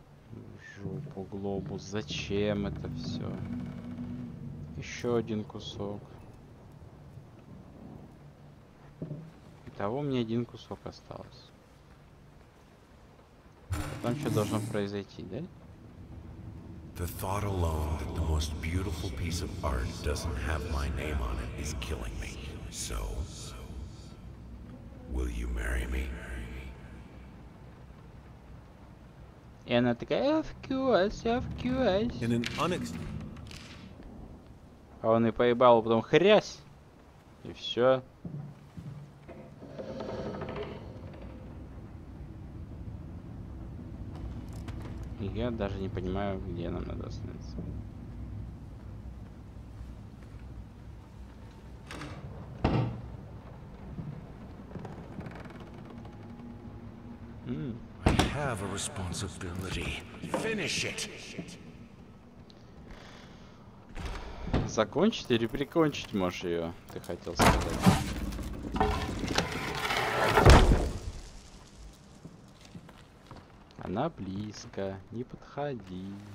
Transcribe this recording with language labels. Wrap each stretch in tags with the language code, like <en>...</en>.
<ru>В жопу, глобус, зачем это всё? Ещё один кусок. Итого мне один кусок остался. Потом что должно произойти, да?</ru> <en>The thought alone that the most beautiful piece of art doesn't have my name on it is killing me. So, will you marry me? And it's like, of course, of course. In an unex.</en> <ru>А он и поебал, а потом хрясь и все. Я даже не понимаю, где нам надо остановиться.</ru> <en>I have a responsibility. Finish it.</en> <ru>Закончить или прикончить можешь ее, ты хотел сказать. Она близко, не подходи.</ru>